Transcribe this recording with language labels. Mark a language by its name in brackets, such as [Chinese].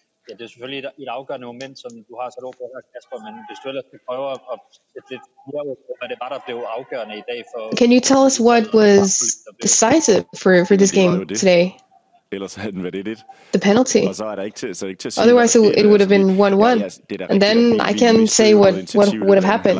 [Danish] Ja, det er selvfølgelig et afgørende moment, som du har sat ord på her, Kasper, men hvis du ellers kan prøve at sætte lidt mere ud på, hvad det var, der blev afgørende i dag for. [English] Can you tell us what was decisive for this game today? [Danish] Ellers havde den været det. [English] The penalty. [Danish] Og så er der ikke til, så ikke til. [English] Otherwise, it would have been 1-1. And then I can say what would have happened.